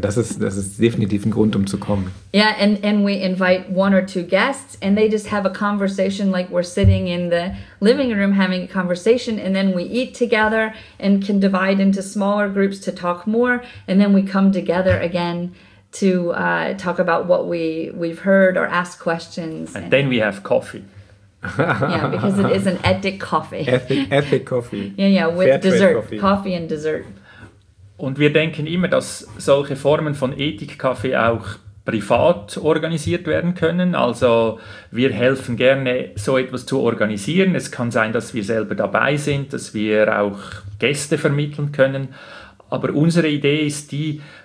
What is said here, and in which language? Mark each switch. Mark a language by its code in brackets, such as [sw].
[de] Das ist definitiv ein Grund, um zu kommen. [en] Yeah, and we invite one or two guests and they just have a conversation like we're sitting in the living room having a conversation and then we eat together and can divide into smaller groups to talk more and then we come together again to talk about what we've heard or ask questions. And then we have coffee. Yeah, because it is an ethic coffee. Ethic coffee. Yeah, with dessert. Coffee and dessert. [de] Und wir denken immer, dass solche Formen von Ethik-Kaffee auch privat organisiert werden können. Also wir helfen gerne, so etwas zu organisieren. Es kann sein, dass wir selber dabei sind, dass wir auch Gäste vermitteln können. Aber unsere Idee ist die,